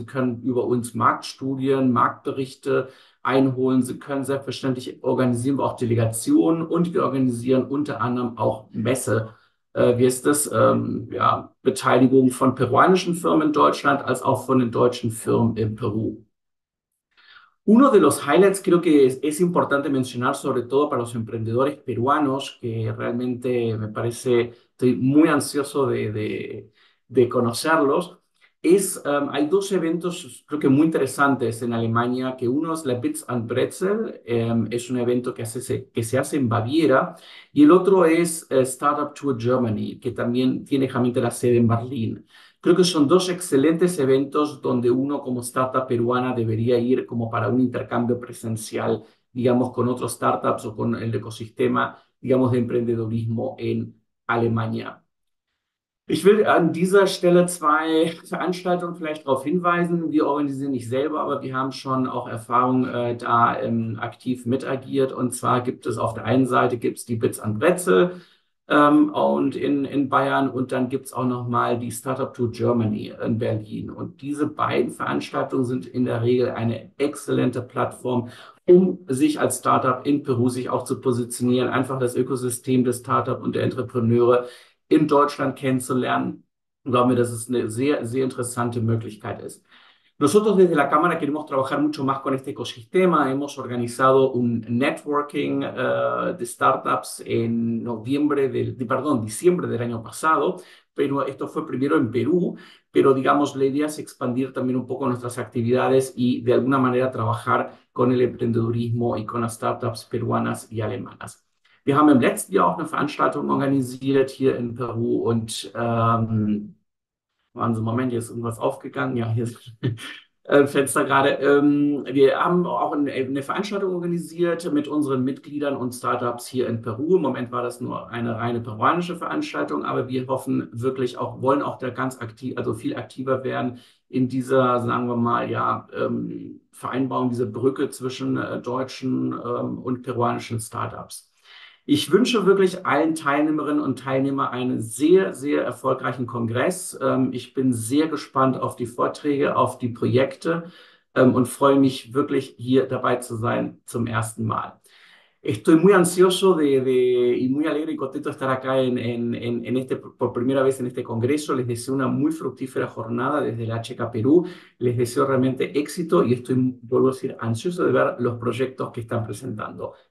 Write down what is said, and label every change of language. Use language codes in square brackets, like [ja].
[de] Sie können über uns Marktstudien, Marktberichte einholen. Sie können selbstverständlich organisieren wir auch Delegationen und wir organisieren unter anderem auch Messe. Wie ist das? Ja, Beteiligung von peruanischen Firmen in Deutschland als auch von den deutschen Firmen in Peru. [es] Uno de los highlights, creo que es importante mencionar, sobre todo para los emprendedores peruanos, que realmente me parece, estoy muy ansioso de conocerlos, hay dos eventos, creo que muy interesantes en Alemania, que uno es la Bits and Brezel, es un evento que se hace en Baviera, y el otro es Startup Tour Germany, que también tiene justamente la sede en Berlín. Creo que son dos excelentes eventos donde uno como startup peruana debería ir como para un intercambio presencial, digamos, con otros startups o con el ecosistema, digamos, de emprendedurismo en Alemania. [de] Ich will an dieser Stelle zwei Veranstaltungen vielleicht darauf hinweisen. Wir organisieren nicht selber, aber wir haben schon auch Erfahrung da aktiv mit agiert. Und zwar gibt es auf der einen Seite gibt es die Bits and Brezel und in Bayern und dann gibt es auch noch mal die Startup Tour Germany in Berlin. Und diese beiden Veranstaltungen sind in der Regel eine exzellente Plattform, um sich als Startup in Peru sich auch zu positionieren, einfach das Ökosystem des Startup und der Entrepreneure in Deutschland kennenzulernen. Ich glaube, dass es eine sehr, sehr interessante Möglichkeit ist. [es] Nosotros desde la Cámara queremos trabajar mucho más con este ecosistema. Hemos organizado un networking de startups en noviembre perdón, diciembre del año pasado. Pero esto fue primero en Perú, pero digamos, la idea es expandir también un poco nuestras actividades y de alguna manera trabajar con el emprendedurismo y con las startups peruanas y alemanas. [de] Wir haben im letzten Jahr auch eine Veranstaltung organisiert hier in Peru und waren so, Moment, hier ist irgendwas aufgegangen. Ja, hier ist Fenster gerade. Wir haben auch eine Veranstaltung organisiert mit unseren Mitgliedern und Startups hier in Peru. Im Moment war das nur eine reine peruanische Veranstaltung, aber wir hoffen wirklich auch, wollen auch da ganz aktiv, also viel aktiver werden in dieser, sagen wir mal, ja, Vereinbarung, diese Brücke zwischen deutschen und peruanischen Startups. Ich wünsche wirklich allen Teilnehmerinnen und Teilnehmern einen sehr, sehr erfolgreichen Kongress. Ich bin sehr gespannt auf die Vorträge, auf die Projekte. und freue mich wirklich, hier dabei zu sein zum ersten Mal. [es] Estoy muy ansioso y muy alegre y contento de estar acá por primera vez en este congreso. Les deseo una muy fructífera jornada desde el HK Perú. Les deseo realmente éxito y estoy, vuelvo a decir, ansioso de ver los proyectos que están presentando.